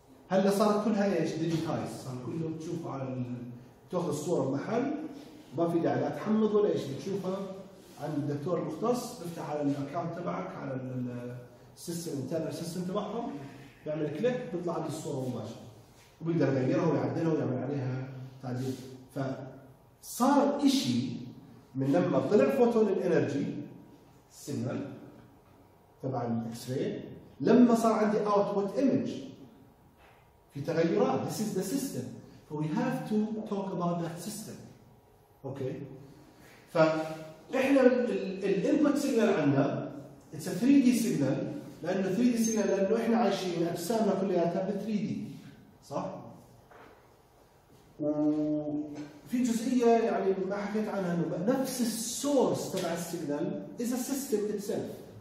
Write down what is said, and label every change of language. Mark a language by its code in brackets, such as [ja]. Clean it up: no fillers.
[ar] هلا صارت كلها ايش؟ ديجيتايز، صار كله تشوف على تاخذ الصوره بمحل، ما في داعي لا تحمض ولا ايش، تشوفها عند الدكتور المختص، تفتح على الاكونت تبعك على السيستم انترنال سيستم تبعهم، بيعمل كليك بتطلع لك الصوره مباشره، وبيقدر يغيرها ويعدلها ويعمل عليها تعديل. فصار اشي من لما طلع فوتون الانرجي سيجنال تبع الاكس راي لما صار عندي اوتبوت ايمج في تغيرات. [en] This is the system. So we have to talk about that system. Okay. [ar] فإحنا الـ input signal عندنا [en] it's a 3D signal، [ar] لأنه 3D signal لأنه إحنا عايشين أجسامنا كلياتها بـ 3D. صح؟ وفي جزئية يعني ما حكيت عنها، إنه نفس الـ source تبع الـ signal [en] is a system itself.